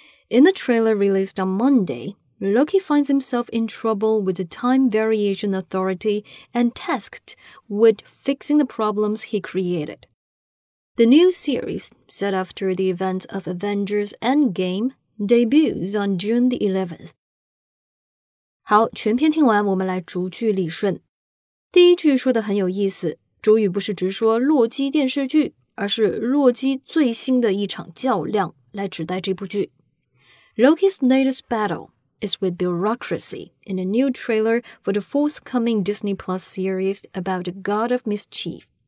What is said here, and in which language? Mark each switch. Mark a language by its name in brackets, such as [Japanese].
[English] In the trailer released on Monday, Loki finds himself in trouble with the Time Variation Authority and tasked with fixing the problems he created. The new series, set after the events of Avengers Endgame, debuts on June the 11th. [Chinese] 好，全篇听完，我们来逐句理顺。第一句说的很有意思，主语不是直说洛基电视剧，而是洛基最新的一场较量来指代这部剧。 [English] Loki's latest battle is with bureaucracy in a new trailer for the forthcoming Disney Plus series about the God of Mischief.